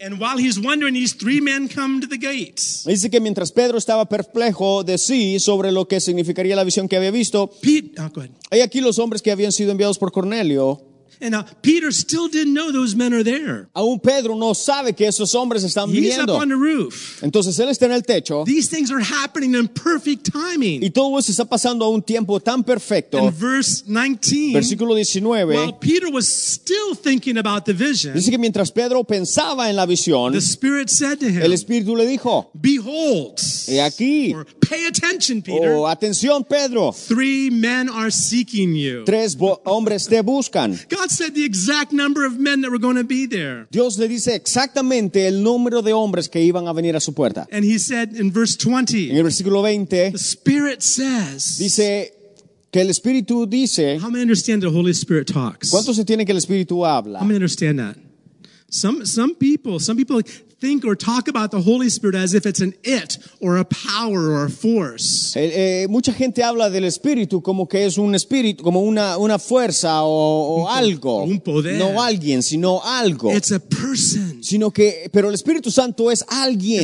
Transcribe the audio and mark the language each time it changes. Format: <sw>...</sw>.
<en>And while he's wondering, these three men come to the gates.</en> <es>Dice que mientras Pedro estaba perplejo de sí sobre lo que significaría la visión que había visto. Hay aquí los hombres que habían sido enviados por Cornelio.</es> <en>And Peter still didn't know those men are there.</en> <es>Aún Pedro no sabe que esos hombres están viniendo.</es> <en>He's up on the roof.</en> <es>Entonces él está en el techo.</es> <en>These things are happening in perfect timing.</en> <es>Y todo eso está pasando a un tiempo tan perfecto.</es> <en>In verse 19.</en> <es>Versículo 19.</es> <en>While Peter was still thinking about the vision.</en> <es>Dice que mientras Pedro pensaba en la visión.</es> <en>The Spirit said to him.</en> <es>El Espíritu le dijo.</es> <en>Behold.</en> <es>He aquí.</es> <en>Or pay attention, Peter.</en> <es>Oh, atención, Pedro.</es> <en>Three men are seeking you.</en> <es>Tres hombres te buscan.</es> <en>God said the exact number of men that were going to be there.</en> <es>Dios le dice exactamente el número de hombres que iban a venir a su puerta.</es> <en>And he said in verse 20.</en> <es>En el versículo 20.</es> <en>The Spirit says.</en> <es>Dice que el Espíritu dice.</es> <en>How many understand the Holy Spirit talks?</en> <es>¿Cuántos se tienen que el Espíritu habla?</es> <en>How many understand that? Some people think or talk about the Holy Spirit as if it's an it or a power or a force.</en> <es>Mucha gente habla del Espíritu como que es un espíritu, como una fuerza o algo. Un poder. No alguien, sino algo.</es> <en>It's a person.</en> <es>Sino que, pero el Espíritu Santo es alguien.</es>